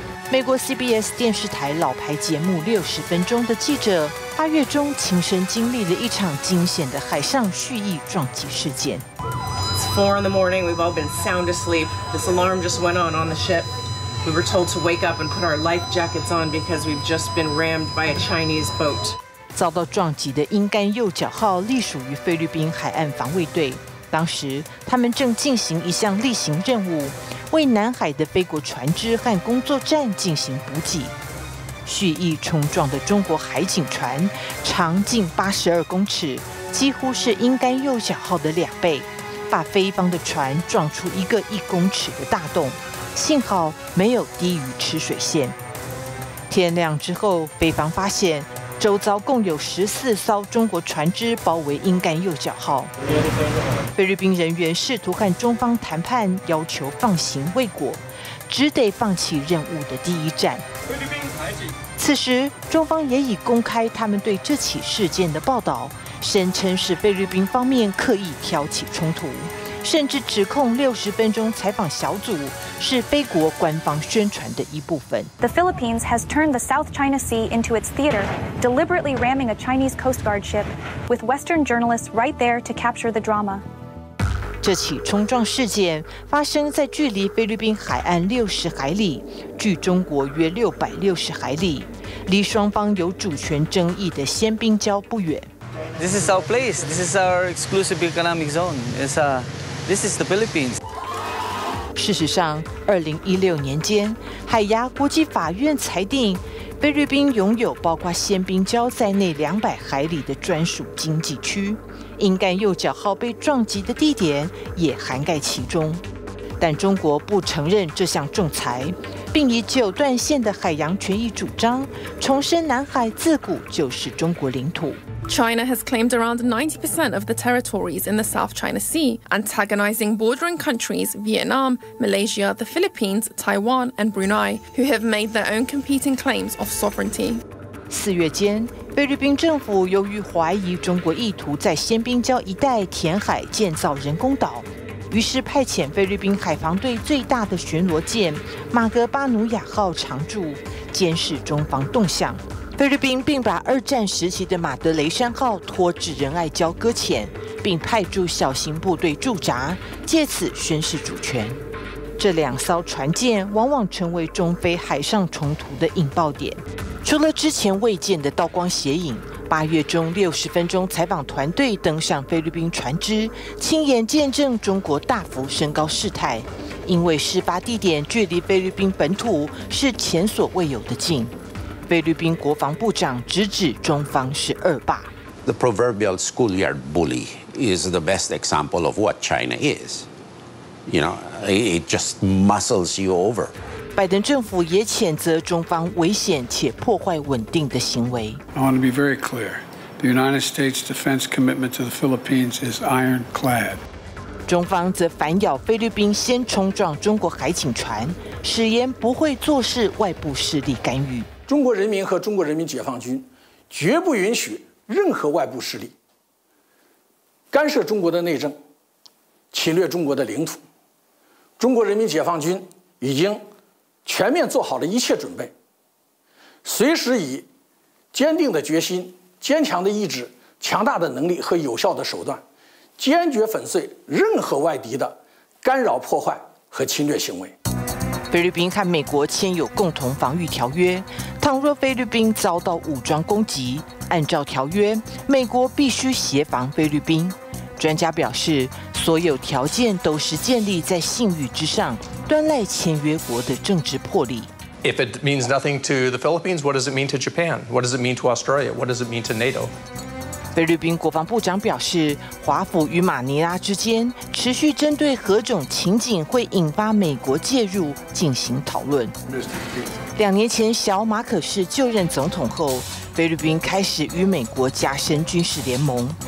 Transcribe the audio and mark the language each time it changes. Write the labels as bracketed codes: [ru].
[zh] 美国 CBS 电视台老牌节目《60分钟》的记者八月中亲身经历了一场惊险的海上蓄意撞击事件。 [en] It's 4 in the morning. We've all been sound asleep. This alarm just went on the ship. We were told to wake up and put our life jackets on because we've just been rammed by a Chinese boat. [zh] 遭到撞击的鹰竿右脚号隶属于菲律宾海岸防卫队。当时他们正进行一项例行任务，为南海的菲国船只和工作站进行补给。蓄意冲撞的中国海警船长近82公尺，几乎是鹰竿右脚号的两倍，把菲方的船撞出一个1公尺的大洞，幸好没有低于吃水线。天亮之后，菲方发现周遭共有14艘中国船只包围鹰竿右脚号，菲律宾人员试图和中方谈判，要求放行未果，只得放弃任务的第一站。此时，中方也已公开他们对这起事件的报道，声称是菲律宾方面刻意挑起冲突，甚至指控60分钟采访小组是菲国官方宣传的一部分。 [en] The Philippines has turned the South China Sea into its theater, deliberately ramming a Chinese Coast Guard ship with Western journalists right there to capture the drama. [zh] 这起冲撞事件发生在距离菲律宾海岸60海里，距中国约660海里，离双方有主权争议的仙宾礁不远。 [en] This is our place. This is our exclusive economic zone. This is the Philippines. [zh] 事实上，2016年间，海牙国际法院裁定，菲律宾拥有包括仙宾礁在内200海里的专属经济区，英干右脚号被撞击的地点也涵盖其中。但中国不承认这项仲裁，并以九段线的海洋权益主张，重申南海自古就是中国领土。 [en] China has claimed around 90% of the territories in the South China Sea, antagonizing bordering countries Vietnam, Malaysia, the Philippines, Taiwan, and Brunei, who have made their own competing claims of sovereignty. [zh] 四月间，菲律宾政府由于怀疑中国意图在仙宾礁一带填海建造人工岛，于是派遣菲律宾海防队最大的巡逻舰马格巴努亚号常驻，监视中方动向。菲律宾并把二战时期的马德雷山号拖至仁爱礁搁浅，并派驻小型部队驻扎，借此宣示主权。这两艘船舰往往成为中菲海上冲突的引爆点。除了之前未见的刀光血影，八月中六十分钟采访团队登上菲律宾船只，亲眼见证中国大幅升高事态，因为事发地点距离菲律宾本土是前所未有的近。菲律宾国防部长直指中方是恶霸。 [en] The proverbial schoolyard bully is the best example of what China is. You know, it just muscles you over. [zh] 拜登政府也谴责中方危险且破坏稳定的行为。 [en] I want to be very clear. The United States' defense commitment to the Philippines is ironclad. [zh] 中方则反咬菲律宾先冲撞中国海警船，誓言不会坐视外部势力干预。中国人民和中国人民解放军绝不允许任何外部势力干涉中国的内政，侵略中国的领土。中国人民解放军已经全面做好了一切准备，随时以坚定的决心、坚强的意志、强大的能力和有效的手段，坚决粉碎任何外敌的干扰、破坏和侵略行为。菲律宾和美国签有共同防御条约，倘若菲律宾遭到武装攻击，按照条约，美国必须协防菲律宾。专家表示，所有条件都是建立在信誉之上，端赖签约国的政治魄力。 [en] If it means nothing to the Philippines, what does it mean to Japan? What does it mean to Australia? What does it mean to NATO? [zh] 菲律宾国防部长表示，华府与马尼拉之间持续针对何种情景会引发美国介入进行讨论。两年前，小马可斯就任总统后，菲律宾开始与美国加深军事联盟。